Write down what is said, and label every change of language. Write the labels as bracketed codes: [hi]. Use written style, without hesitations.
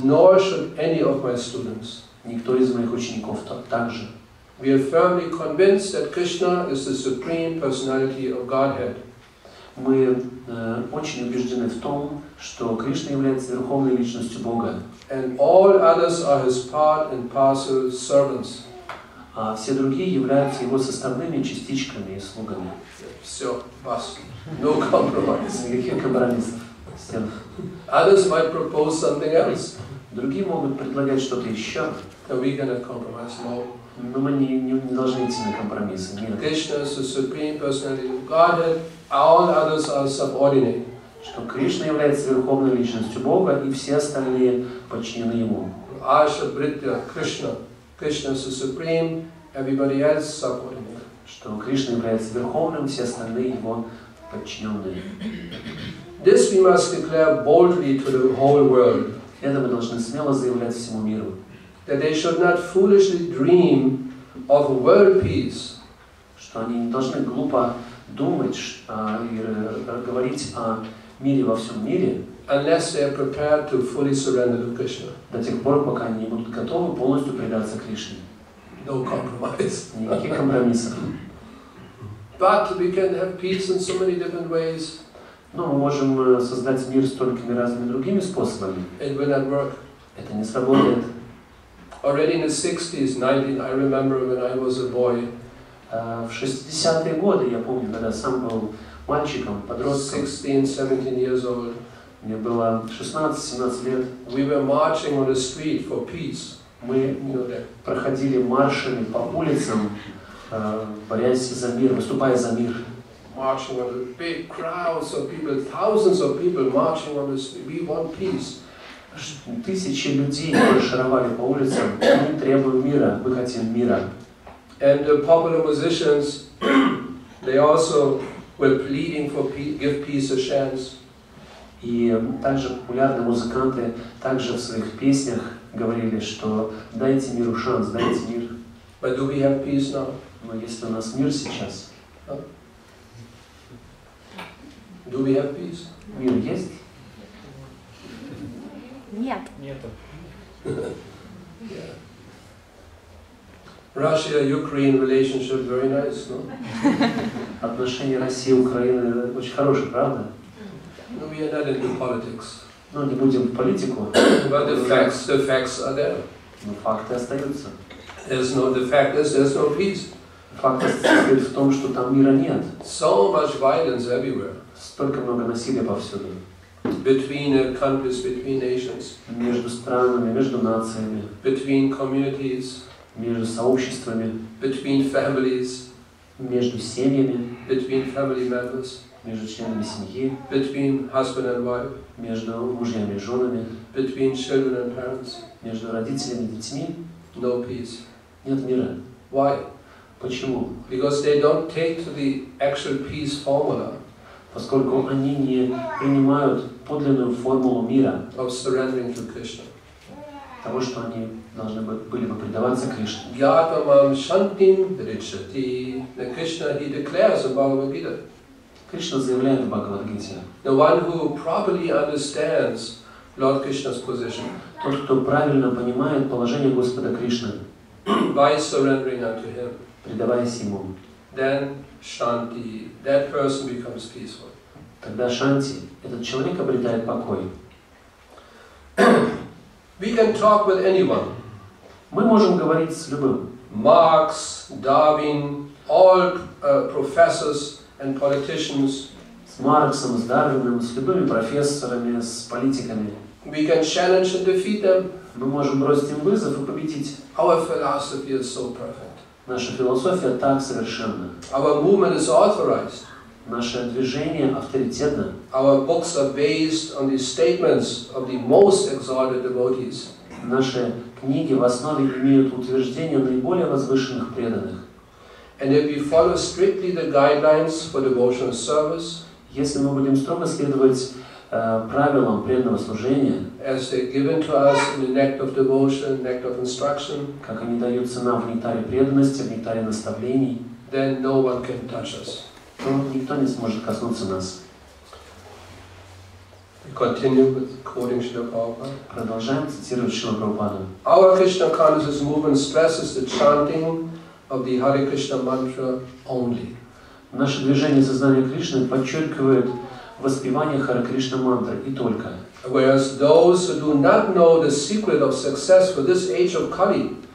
[en] Nor should any of my students. [ru] Никто из моих учеников также. [en] We are firmly convinced that Krishna is the supreme personality of Godhead. [ru] Мы очень убеждены в том, что Кришна является верховной личностью Бога. [en] And all others are his part and parcel servants. [ru] А все другие являются его составными частичками и слугами. Все, бас. [en] No compromise. [ru] Никаких компромиссов. Всем. [en] Others might propose something else. [ru] Другие могут предлагать что-то еще. [en] Are we gonna compromise? No. [ru] Но мы не должны идти на компромиссы. Нет. [en] Krishna is the supreme personality of Godhead. All others are subordinate. [ru] Что Кришна является верховной личностью Бога, и все остальные подчинены Ему. [sa] Asha Britya Krishna. [en] Krishna is the supreme. Everybody else subordinate. [ru] Что Кришна является верховным, все остальные Его подчиненные. [en] This we must declare boldly to the whole world. [ru] Это мы должны смело заявлять всему миру. [en] That they should not foolishly dream of world peace. [ru] Что они не должны глупо думать и говорить о мире во всем мире. [en] Unless they are prepared to fully surrender to Krishna. [ru] До тех пор, пока они не будут готовы полностью предаться Кришне. [en] No compromise. [ru] Никаких компромиссов. [en] But we can have peace in so many different ways. [ru] Но мы можем создать мир столькими разными другими способами. [en] It will not work. [ru] Это не сработает. [en] Already in the 60s, 90s, I remember when I was a boy. [ru] В 60-е годы, я помню, когда сам был мальчиком, подростком. [en] 16, 17 years old. [ru] Мне было 16-17 лет. [en] We were marching on the street for peace. [ru] Мы проходили маршами по улицам, борясь за мир, выступая за мир. [en] Marching on the big crowds of people, thousands of people marching on the street. We want peace. [ru] Тысячи людей маршировали по улицам. Мы требуем мира. Мы хотим мира. [en] And the popular musicians, they also were pleading for peace, give peace a chance. [ru] И также популярные музыканты также в своих песнях говорили, что дайте миру шанс, дайте мир. [en] But do we have peace now? [ru] Но есть ли у нас мир сейчас? [en] Do we have peace? [ru] Мир есть? Нет. [en] Russia-Ukraine relationship very nice, no? [ru] Отношения России и Украины очень хорошие, правда? [en] No, we are not into politics. [ru] Но не будем в политику. [en] But the facts are there. [ru] Но факты остаются. [en] There's no peace. [ru] Факт состоит в том, что там мира нет. [en] So much violence everywhere. [ru] Столько много насилия повсюду. [en] Between countries, between nations. [ru] Между странами, между нациями. [en] Between communities. [ru] Между сообществами. [en] Between families. [ru] Между семьями. [en] Between family members. [ru] Между членами семьи. [en] Between husband and wife. [ru] Между мужьями и женами. [en] Between children and parents. [ru] Между родителями и детьми. [en] No peace. [ru] Нет мира. [en] Why? [ru] Почему? [en] Because they don't take to the actual peace formula. [ru] Поскольку они не принимают подлинную формулу мира, [en] of surrendering to Krishna. [ru] Того, что они должны были бы предаваться Кришне. [sa] Гьятамам шантим ричати. [en] Krishna, he declares in Бхагавад-гита. [ru] Кришна заявляет в Бхагавад-гите. [en] The one who properly understands Lord Krishna's position. [ru] Тот, кто правильно понимает положение Господа Кришны. [en] By surrendering unto him. [ru] Предаваясь ему. [en] Then Shanti, that person becomes peaceful. [ru] Тогда Шанти, этот человек обретает покой. [en] We can talk with anyone. [ru] Мы можем говорить с любым. [en] Marx, Darwin, all professors and politicians. [ru] С Марксом, с Дарвином, с любыми профессорами, с политиками. [en] We can challenge and defeat them. [ru] Мы можем бросить им вызов и победить. [en] Our philosophy is so perfect. [ru] Наша философия так совершенна. [en] Our movement is authorized. [ru] Наше движение авторитетно. [en] Our books are based on the statements of the most exalted devotees. [ru] Наши книги в основе имеют утверждения наиболее возвышенных преданных. [en] And if we follow strictly the guidelines for devotional service, [ru] если мы будем строго следовать правилам преданного служения, [en] as they given to us in the nectar of devotion, nectar of instruction, [ru] как они даются нам в нектаре преданности, в нектаре наставлений, [en] then no one can touch us. [ru] То никто не сможет коснуться нас. [en] Continue with quoting Śrīla Prabhupāda. [ru] Продолжаем цитировать Śrīla Prabhupāda. [en] Our Krishna consciousness movement stresses the chanting of the Hare Krishna mantra only. [ru] Наше движение сознания Кришны подчеркивает воспевание Харе Кришна мантры и только. [en] Whereas those who do not know the secret of success for this age of Kali,